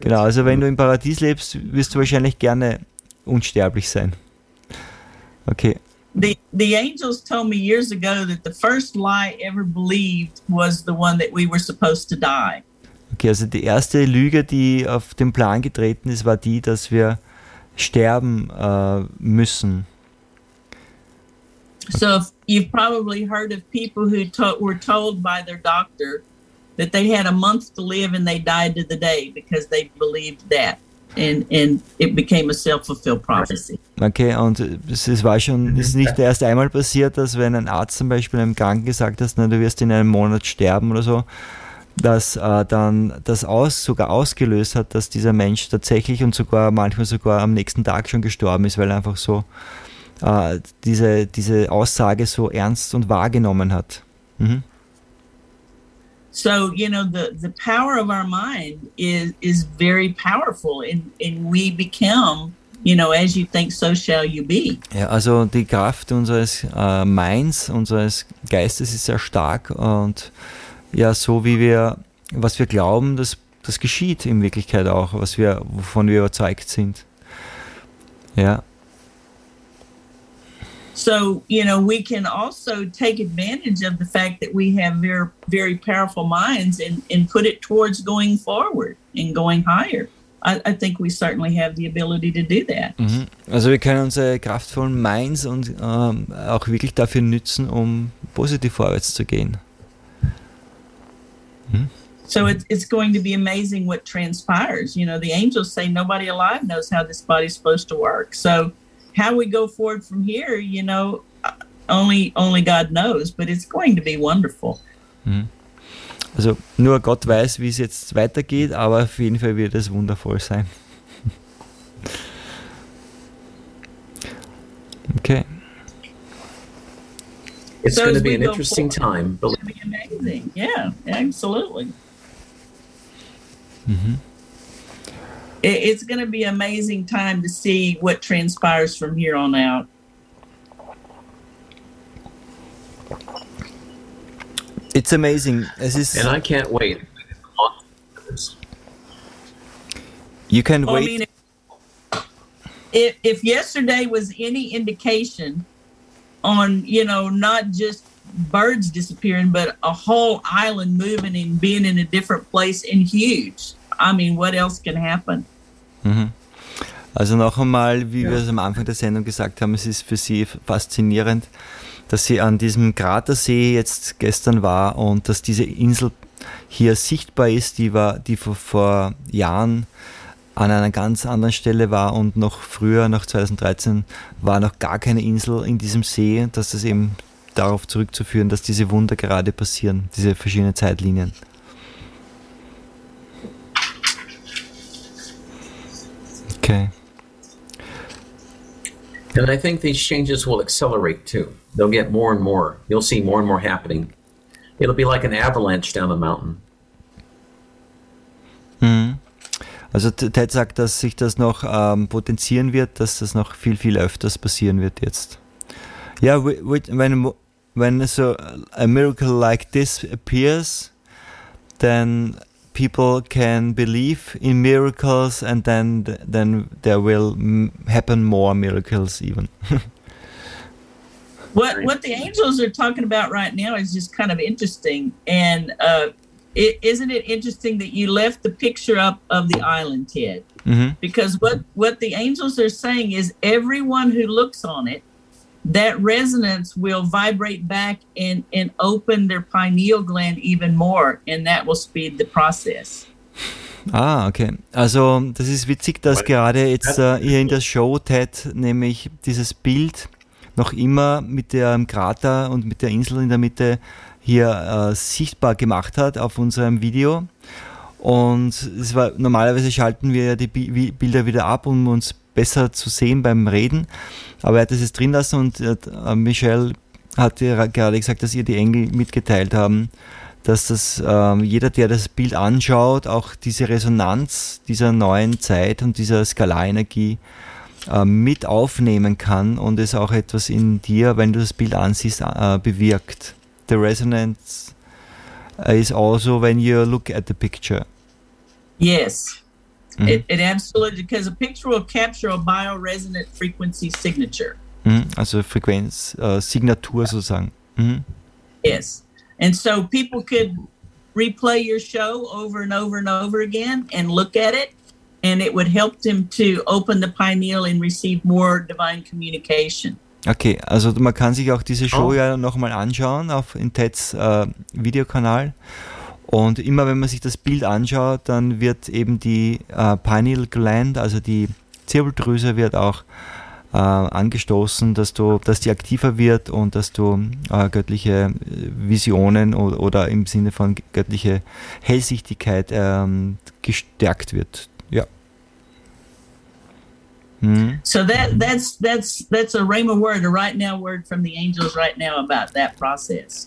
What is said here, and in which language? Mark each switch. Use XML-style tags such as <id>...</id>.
<de>Genau, also wenn du im Paradies lebst, wirst du wahrscheinlich gerne unsterblich sein. Okay.</de> <en>The angels told me years ago that the first lie ever believed was the one that we were supposed to die.</en> <de>Okay, also die erste Lüge, die auf den Plan getreten ist, war die, dass wir sterben müssen.</de> <en>So you've probably heard of people who were told by their doctor that they had a month to live and they died to the day because they believed that. And it became a self-fulfilled prophecy.</en> <de>Okay, und es ist nicht erst einmal passiert, dass wenn ein Arzt zum Beispiel einem Kranken gesagt hat, du wirst in einem Monat sterben oder so, dass dann das sogar ausgelöst hat, dass dieser Mensch tatsächlich und sogar manchmal sogar am nächsten Tag schon gestorben ist, weil er einfach so diese Aussage so ernst und wahrgenommen hat. Mhm.</de> <en>So, you know, the power of our mind is very powerful and we become, you know, as you think, so shall you be.</en> <de>Ja, also die Kraft unseres Minds, unseres Geistes ist sehr stark und ja, so wie wir, was wir glauben, das geschieht in Wirklichkeit auch, wovon wir überzeugt sind. Ja.</de> <en>So, you know, we can also take advantage of the fact that we have very, very powerful minds and put it towards going forward and going higher. I think we certainly have the ability to do that. Mhm.</en> <de>Also wir können unsere kraftvollen Minds und auch wirklich dafür nutzen, um positiv vorwärts zu gehen.</de> <en>So it's going to be amazing what transpires. You know, the angels say nobody alive knows how this body's supposed to work. So how we go forward from here, you know, only God knows, but it's going to be wonderful.</en> <de>Also nur Gott weiß, wie es jetzt weitergeht, aber auf jeden Fall wird es wundervoll sein. Okay.</de> <en>It's going to be an interesting time. It's going to be amazing. Yeah, absolutely. Mm-hmm. It's going to be an amazing time to see what transpires from here on out. It's amazing. And I can't wait. You can wait. I mean, if yesterday was any indication on, you know, not just birds disappearing, but a whole island moving and being in a different place and huge. I mean, what else can happen?</en> <de>Also noch einmal, wie wir es am Anfang der Sendung gesagt haben, es ist für Sie faszinierend, dass Sie an diesem Kratersee jetzt gestern war und dass diese Insel hier sichtbar ist, die vor Jahren an einer ganz anderen Stelle war und noch früher, nach 2013, war noch gar keine Insel in diesem See, dass das eben darauf zurückzuführen, dass diese Wunder gerade passieren, diese verschiedenen Zeitlinien. Okay.</de> <en>And I think these changes will accelerate too. They'll get more and more. You'll see more and more happening. It'll be like an avalanche down the mountain.</en> <de>Also Ted sagt, dass sich das noch potenzieren wird, dass das noch viel, viel öfters passieren wird jetzt.</de> <en>Yeah, when so a miracle like this appears, then people can believe in miracles and then there will happen more miracles even. What the angels are talking about right now is just kind of interesting. And isn't it interesting that you left the picture up of the island, Ted? Mm-hmm. Because what the angels are saying is everyone who looks on it, that resonance will vibrate back and open their pineal gland even more, and that will speed the process. Ah, okay.</en> <de>Also, das ist witzig, dass gerade jetzt hier in der Show Ted nämlich dieses Bild noch immer mit dem Krater und mit der Insel in der Mitte hier sichtbar gemacht hat auf unserem Video. Und es war, normalerweise schalten wir ja die Bilder wieder ab, um uns besser zu sehen beim Reden, aber er hat das jetzt drin lassen und Michelle hat gerade gesagt, dass ihr die Engel mitgeteilt haben, dass das jeder, der das Bild anschaut, auch diese Resonanz dieser neuen Zeit und dieser Skalarenergie mit aufnehmen kann und es auch etwas in dir, wenn du das Bild ansiehst, bewirkt.</de> <en>The resonance is also when you look at the picture. Yes, It absolutely, because a picture will capture a bioresonant frequency signature.</en> <de>Also Frequenz, Signatur sozusagen.</de> <en>Yes. And so people could replay your show over and over and over again and look at it, and it would help them to open the pineal and receive more divine communication.</en> <de>Okay, also man kann sich auch diese Show ja nochmal anschauen auf Intets Videokanal. Und immer wenn man sich das Bild anschaut, dann wird eben die Pineal Gland, also die Zirbeldrüse, wird auch angestoßen, dass die aktiver wird und dass du göttliche Visionen oder im Sinne von göttliche Hellsichtigkeit gestärkt wird. Ja.</de> <en>So that's a Rhema word, a right now word from the angels right now about that process.</en>